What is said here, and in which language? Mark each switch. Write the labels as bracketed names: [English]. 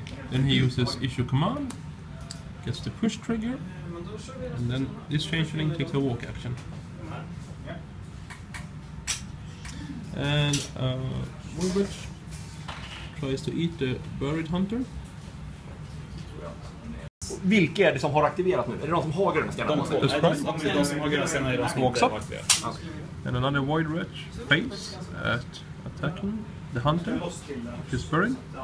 [English] Then he uses Issue Command, gets the push trigger, and then this Chain Train takes a walk action. And Woolbridge tries to eat the buried hunter. [Swedish] Vilka är det som har aktiverat nu? Är det de som har gröna stjärnor? De som har gröna stjärnor är de som inte [English] har. And another Void Wretch fails at attacking the Hunter, which is buried.